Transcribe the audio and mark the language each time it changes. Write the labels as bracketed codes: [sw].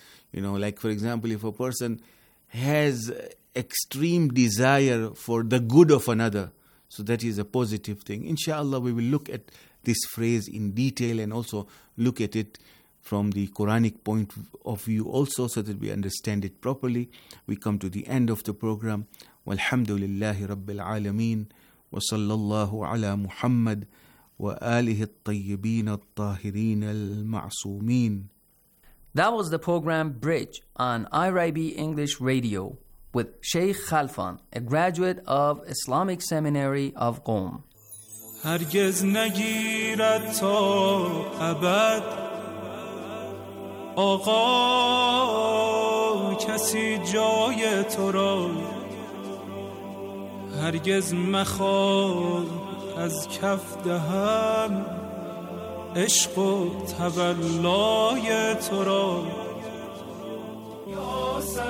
[en] You know, like for example, if a person has extreme desire for the good of another, so that is a positive thing. Inshallah, we will look at this phrase in detail and also look at it from the Quranic point of view also, so that we understand it properly. We come to the end of the program. [ar] Walhamdulillahi Rabbil Alameen. Wa sallallahu ala Muhammad. وآله الطيبين الطاهرين المعصومين. [en] That was the program Bridge on IRIB English Radio with Sheikh Khalfan, a graduate of Islamic Seminary of Qom. [fa] هرگز نگیرد تا ابد آقا کسی جای تو را هرگز مخواه از کف دهم عشق و تولای تو را یا